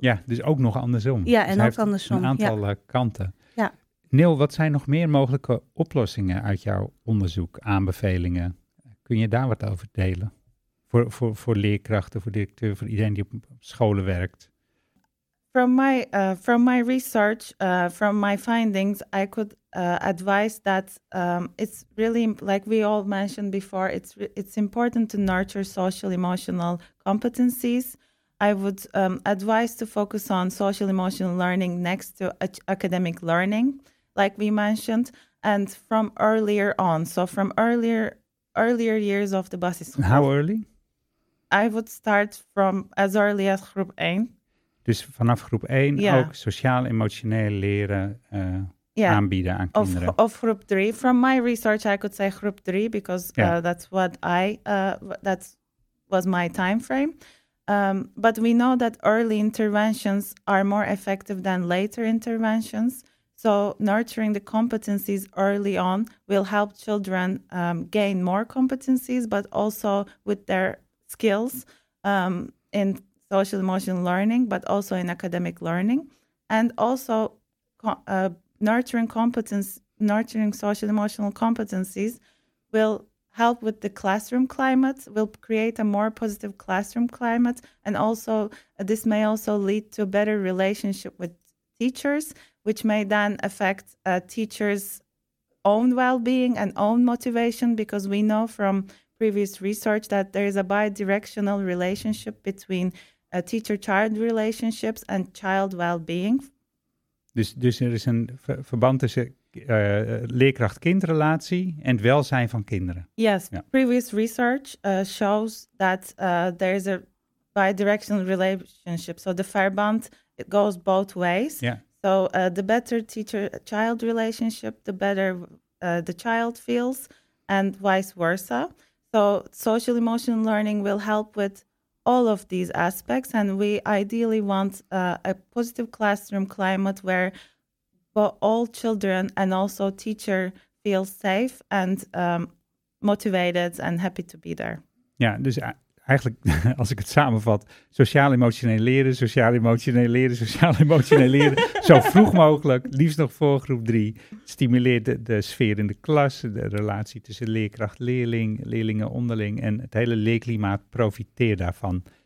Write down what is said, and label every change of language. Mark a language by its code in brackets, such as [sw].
[nl] Ja, dus ook nog andersom. Ja, en dus ook andersom. Een aantal kanten. Ja. Neil, wat zijn nog meer mogelijke oplossingen uit jouw onderzoek, aanbevelingen? Kun je daar wat over delen? Voor leerkrachten, voor directeur, voor iedereen die op scholen werkt? [en] From my research, from my findings, I could advise that it's really, like we all mentioned before, it's important to nurture social-emotional competencies. I would advise to focus on social emotional learning next to academic learning, like we mentioned, and from earlier on. So from earlier years of the buses. How early? I would start from as early as groep 1. [nl] Dus vanaf groep 1 ook sociaal-emotioneel leren aanbieden aan kinderen. Of groep 3. [en] From my research, I could say groep 3, because that's what that was my time frame. But we know that early interventions are more effective than later interventions. So nurturing the competencies early on will help children gain more competencies, but also with their skills in social emotional learning, but also in academic learning. And also nurturing social emotional competencies will help with the classroom climate, will create a more positive classroom climate. And also this may also lead to a better relationship with teachers, which may then affect teachers' own well-being and own motivation, because we know from previous research that there is a bi-directional relationship between teacher-child relationships and child well-being. [nl] Dus er is een verband tussen leerkracht-kindrelatie en het welzijn van kinderen. [en] Yes, ja. Previous research shows that there is a bi-directional relationship. So the verband, it goes both ways. Yeah. So the better teacher-child relationship, the better the child feels, and vice versa. So social emotional learning will help with all of these aspects, and we ideally want a positive classroom climate where all children and also teacher feel safe and motivated and happy to be there. [nl] Ja, dus eigenlijk, als ik het samenvat, sociaal-emotioneel leren, zo vroeg mogelijk, liefst nog voor groep 3, stimuleert de sfeer in de klas, de relatie tussen leerkracht, leerling, leerlingen onderling en het hele leerklimaat profiteert daarvan.